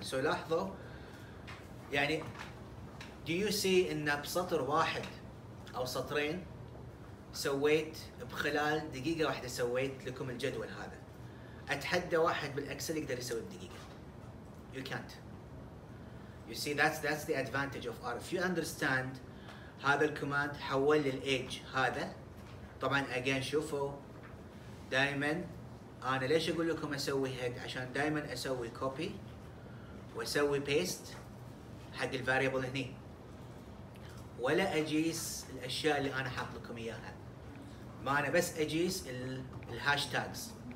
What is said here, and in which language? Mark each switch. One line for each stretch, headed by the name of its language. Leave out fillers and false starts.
Arabic: سو لاحظوا يعني
English: Do you see
Arabic: إن بسطر واحد أو سطرين سويت بخلال دقيقة واحدة سويت لكم الجدول هذا؟ أتحدى واحد بالأكسل يقدر يسوي بدقيقة.
English: You can't. You see that's the advantage of R. If you understand
Arabic: هذا الكوماند حول للإيج هذا. طبعاً again شوفوا دائماً أنا ليش أقول لكم أسوي هيد عشان دائماً أسوي كوبي وأسوي بيست حق الفاريبل هني. ولا اجيس الاشياء اللي انا حاط لكم اياها. ما انا بس اجيس الهاشتاجز.